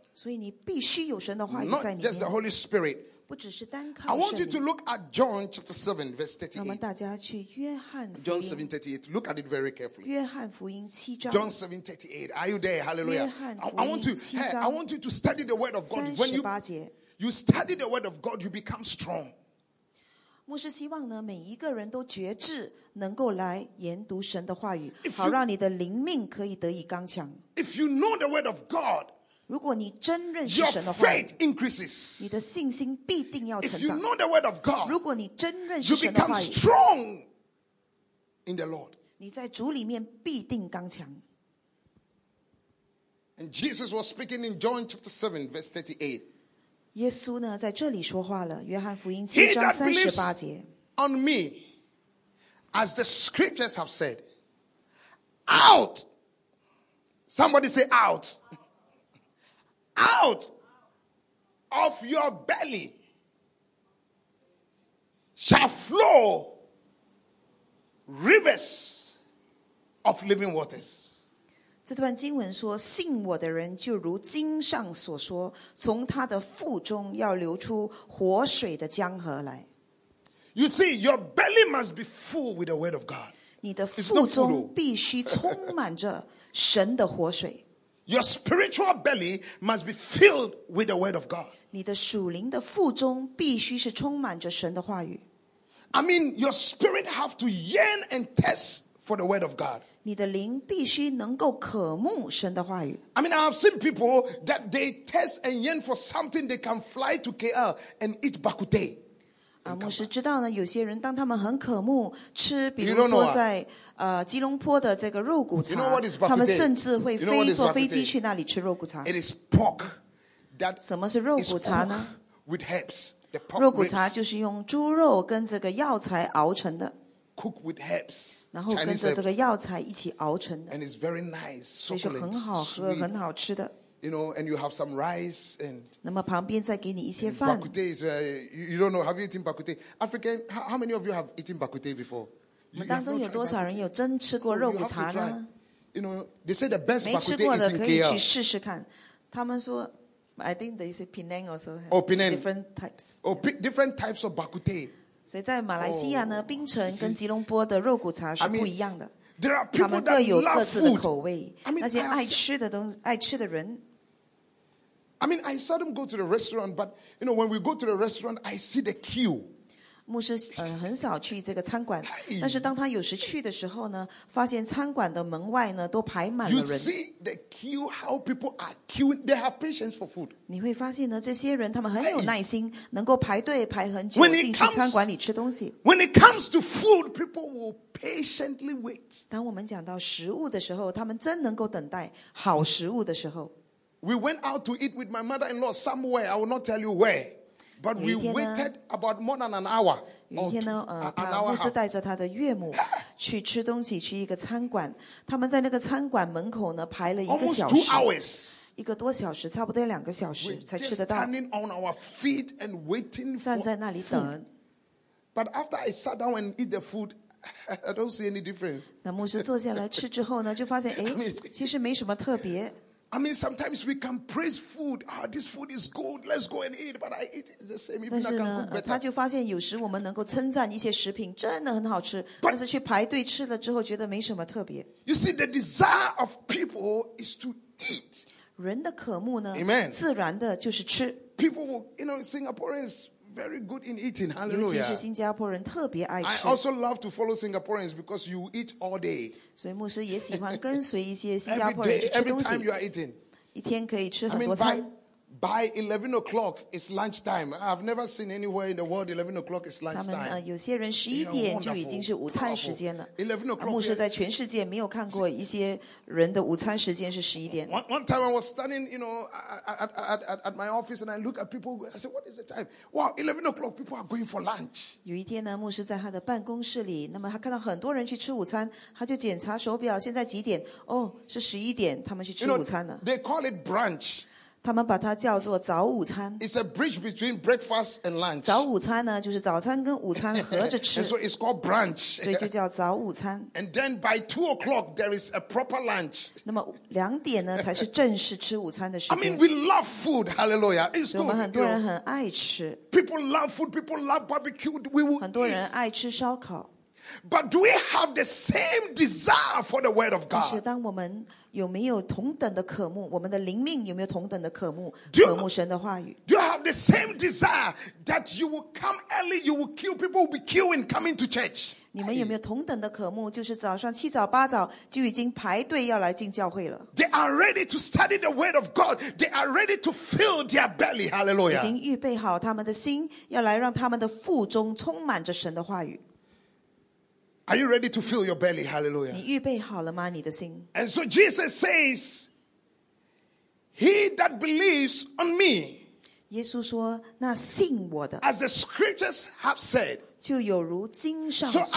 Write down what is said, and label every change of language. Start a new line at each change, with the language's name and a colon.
Chinese: 所以你必须有神的话语在你里面。
English: Not just the Holy Spirit.
Chinese: 不只是单靠圣灵。
English: I want you to look at John chapter 7 verse 38.
Chinese: 那么大家去约翰福音。
English: John 7 38. Look at it very carefully.
Chinese: 约翰福音七章。
English: John 7 38. Are you there? Hallelujah.
Chinese: 约翰福音七章。
English: I want you to study the word of God. When you study the word of God, you become strong.
Chinese: 牧师希望呢，每一个人都觉知，能够来研读神的话语，好让你的灵命可以得以刚强。
English: If you know the word of God,
Chinese: 如果你真认识神的话，
English: Your faith increases.
Chinese: 你的信心必定要成长。
English: If you know the word of God,
Chinese: 如果你真认识神的话，
English: you become strong in the Lord.
Chinese: 你在主里面必定刚强。
English: And Jesus was speaking in John chapter 7 verse 38.
Chinese: 耶稣呢在这里说话了，约翰福音七章三十八节。
English: He that believes on me, as the scriptures have said, out, somebody say out. Out of your belly shall flow rivers of living waters.
Chinese: 这段经文说，信我的人就如经上所说，从他的腹中要流出活水的江河来。
English: You see, your belly must be full with the word of God.
Chinese: 你的腹中必须充满着神的活水。
English: Your spiritual belly must be filled with the word of God.
Chinese: 你的属灵的腹中必须是充满着神的话语。
English: I mean, your spirit have to yearn and thirst for the word of God.
Chinese: 你的灵必须能够渴慕神的话语。
English: I mean, I have seen people that they thirst and yearn for something they can fly to KL and eat bak kut teh.
Chinese: 牧师知道呢，有些人当他们很渴慕吃，比如说在吉隆坡的这个肉骨茶，
English: you know what is bak-u-tay?
Chinese: 他们甚至会飞
English: you know
Chinese: 坐飞机去那里吃肉骨茶。
English: It is pork that
Chinese: 什么是肉骨茶呢
English: ？With herbs, the pork
Chinese: 肉骨茶就是用猪肉跟这个药材熬成的。
English: Cook with herbs,
Chinese: 然后跟着这个药材一起熬成的。
English: And it's very nice,
Chinese: 所以是很好喝、
English: sweet.
Chinese: 很好吃的。
English: you know, and you have some rice and.
Chinese: 那么旁边再给你一些饭。
English: Bak kut teh is you don't know. Have you eaten bak kut teh? African, how many of you have eaten bak kut teh before?
Chinese: 我们当中有多少人有真吃过肉骨茶呢？
English: You know, they say the best bak kut teh is in KL.
Chinese: 没吃过的可以去试试看。他们说。
English: I think they say Penang also. Oh, Penang. Different types. Oh, yeah. different types of bak kut teh.
Chinese: 所以在马来西亚呢，槟城跟吉隆坡的肉骨茶是不一样的。
English: There are people that love food.
Chinese: 他们各有各自的口味。那些爱吃的东西，爱吃的人。
English: I mean, I seldom go to the restaurant, but you know, when we go to the restaurant, I see the queue.
Chinese: 牧师很少去这个餐馆，但是当他有时去的时候呢，发现餐馆的门外呢都排满了人。
English: You see the queue, how people are queuing. They have patience for food.
Chinese: 你会发现呢，这些人他们很有耐心，能够排队排很久进去餐馆里吃东西。
English: When it comes to food, people will patiently wait.
Chinese: 当我们讲到食物的时候，他们真能够等待好食物的时候。
English: We went out to eat with my mother-in-law somewhere. I will not tell you where. But we waited about more than an hour.
Chinese: 有一天呢，牧师带着他的岳母去吃东西，去一个餐馆。他们在那个餐馆门口呢排了一个小时
English: ，almost 2 hours，
Chinese: 一个多小时，差不多两个小时才吃得到。
English: We're just standing on our feet and waiting for food.
Chinese: 站在那里等。
English: But after I sat down and eat the food, I don't see any difference.
Chinese: 那牧师坐下来吃之后呢，就发现，哎，其实没什么特别。
English: I mean, sometimes we can praise food. Ah, this food is good. Let's go and eat. But I eat it the same. Even I can cook better.
Chinese: 他就发现有时我们能够称赞一些食品真的很好吃，但是去排队吃了之后觉得没什么特别。
English: You see, the desire of people is to eat.
Chinese: 人的渴慕呢？
English: Amen.
Chinese: 自然的就是吃。
English: People, will, you know, Singaporeans very good in eating. Hallelujah.
Chinese: 尤其是新加坡人特别爱吃。
English: I also love to follow Singaporeans because you eat all day.
Chinese: 所以牧师也喜欢跟随一些新加坡人去吃东西。
English: Every day, every time you are eating.
Chinese: 一天可以吃很多餐。
English: I mean, by 11 o'clock, it's lunchtime. I've never seen anywhere in the world 11 o'clock is lunchtime.
Chinese: 他们有些人十一点就已经是午餐时间了。
English: 11 o'clock.
Chinese: 牧师在全世界没有看过一些人的午餐时间是十一点。
English: One time I was standing, you know, at my office and I look at people. I said, what is the time? Wow, 11 o'clock, people are going for lunch.
Chinese: 有一天呢，牧师在他的办公室里，那么他看到很多人去吃午餐，他就检查手表，现在几点？哦，是十一点，他们去吃午餐了。
English: They call it brunch.
Chinese: 他们把它叫做早午餐。
English: It's a bridge between breakfast and lunch.
Chinese: 早午餐呢，就是早餐跟午餐合着吃。
English: And so it's called brunch.
Chinese: 所以就叫早午餐。
English: And then by 2 o'clock there is a proper lunch.
Chinese: 那么两点呢，才是正式吃午餐的时间。
English: I mean, we love food. Hallelujah! It's good.
Chinese: 我们很多人很爱吃。
English: People love food. People love barbecue. We will.
Chinese: 很多人爱吃烧烤。
English: But do we have the same desire for the word of God?
Chinese: 但是当我们有没有同等的渴慕？我们的灵命有没有同等的渴慕？渴慕神的话语。
English: Do you have the same desire that you will come early, you will kill people will be queuing coming to church?
Chinese: 你们有没有同等的渴慕？就是早上七早八早就已经排队要来进教会了。
English: They are ready to study the word of God. They are ready to fill their belly. Hallelujah.
Chinese: 已经预备好他们的心，要来让他们的腹中充满着神的话语。
English: Are you ready to fill your belly? Hallelujah.
Chinese: 你预备好了吗？你的心。
English: And so Jesus says, "He that believes on me."
Chinese: 耶稣说，那信我的。
English: As the scriptures have said.
Chinese: 就有如经上所说。